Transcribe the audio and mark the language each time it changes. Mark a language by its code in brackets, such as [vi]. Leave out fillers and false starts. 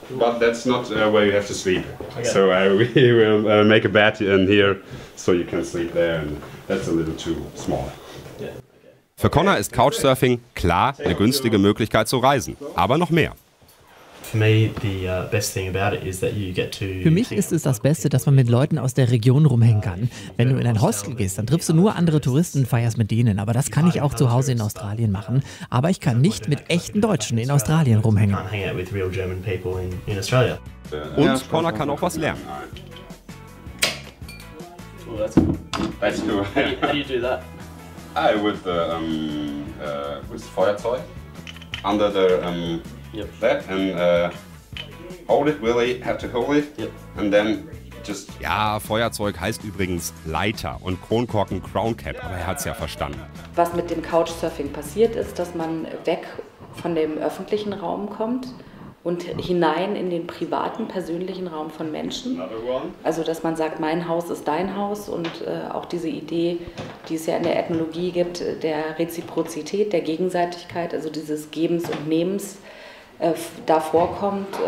[en] But that's not where you have to sleep. Okay. So we will make a bed in here, so you can sleep there. And that's a little too small. [de] Für Connor ist Couchsurfing klar eine günstige Möglichkeit zu reisen, aber noch mehr. Für mich ist es das Beste, dass man mit Leuten aus der Region rumhängen kann. Wenn du in ein Hostel gehst, dann triffst du nur andere Touristen, feierst mit denen, aber das kann ich auch zu Hause in Australien machen. Aber ich kann nicht mit echten Deutschen in Australien rumhängen. Und Connor kann auch was lernen. [en] I with the with Feuerzeug under the that and hold it, really have to hold it and then just. [de] Ja, Feuerzeug heißt übrigens Leiter und Kronkorken Crown Cap, aber er hat's ja verstanden. Was mit dem Couchsurfing passiert, ist, dass man weg von dem öffentlichen Raum kommt und hinein in den privaten, persönlichen Raum von Menschen. Also, dass man sagt, mein Haus ist dein Haus und auch diese Idee, die es ja in der Ethnologie gibt, der Reziprozität, der Gegenseitigkeit, also dieses Gebens und Nehmens, da vorkommt.